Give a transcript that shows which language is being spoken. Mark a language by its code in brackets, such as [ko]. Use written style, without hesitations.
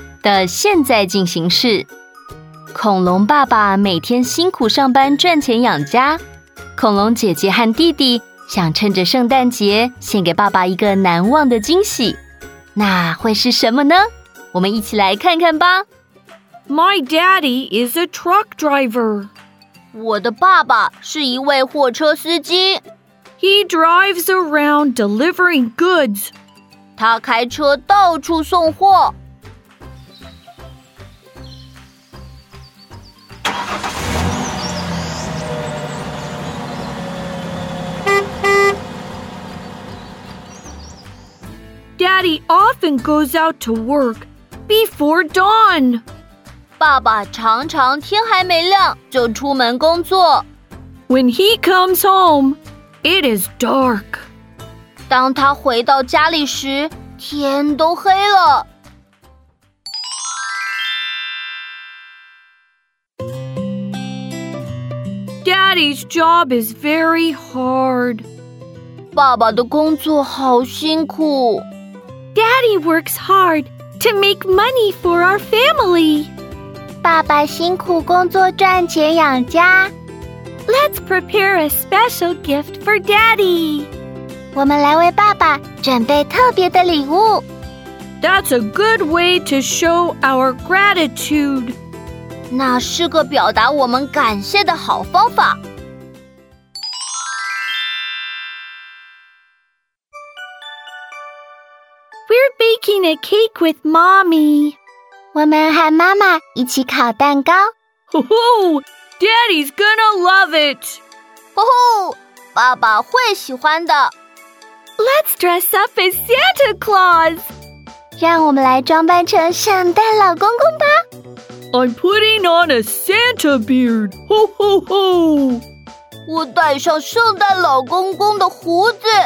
[zh] 的现在进行式恐龙爸爸每天辛苦上班赚钱养家恐龙姐姐和弟弟想趁着圣诞节献给爸爸一个难忘的惊喜那会是什么呢我们一起来看看吧 [en] My daddy is a truck driver. [zh] 我的爸爸是一位货车司机。 [en] He drives around delivering goods. [zh] 他开车到处送货。 [en] Daddy often goes out to work before dawn. [zh] 爸爸常常天还没亮就出门工作。 [en] When he comes home, it is dark. [zh] 当他回到家里时，天都黑了。 [en] Daddy's job is very hard. [zh] 爸爸的工作好辛苦。 [en] Daddy works hard to make money for our family. [zh] 爸爸辛苦工作赚钱养家。 [en] Let's prepare a special gift for Daddy. [zh] 我们来为爸爸准备特别的礼物。 [en] That's a good way to show our gratitude. [zh] 那是个表达我们感谢的好方法。 [en] We're baking a cake with Mommy. [zh] 我们和妈妈一起烤蛋糕。 [en] Oh, Daddy's gonna love it. [zh] Oh, 爸爸会喜欢的。 [en] Let's dress up as Santa Claus. [zh] 让我们来装扮成圣诞老公公吧。 [en] I'm putting on a Santa beard. Ho, ho, ho. [zh] 我戴上圣诞老公公的胡子。